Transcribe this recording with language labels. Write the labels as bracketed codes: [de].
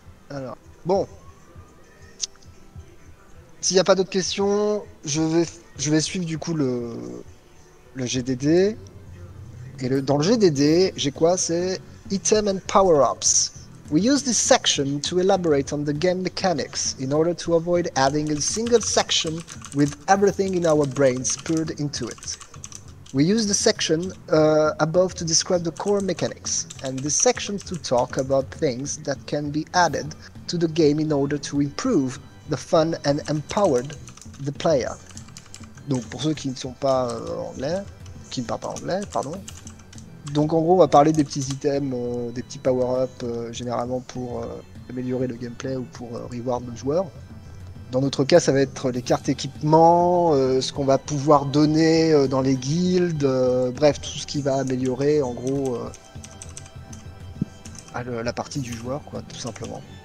[fr] Alors, bon. S'il n'y a pas d'autres questions, je vais suivre du coup le GDD. Et dans le GDD, j'ai quoi? C'est Item and Power-Ups. [en] We use this section to elaborate on the game mechanics in order to avoid adding a single section with everything in our brain spurred into it. We use the section above to describe the core mechanics, and this section to talk about things that can be added to the game in order to improve the fun and empower the player. [fr] Donc pour ceux qui ne sont pas anglais, qui ne parlent pas anglais, pardon. Donc en gros, on va parler des petits items, des petits power-up, généralement pour améliorer le gameplay ou pour reward le joueur. Dans notre cas, ça va être les cartes équipement, ce qu'on va pouvoir donner dans les guildes, bref, tout ce qui va améliorer en gros la partie du joueur, quoi, tout simplement.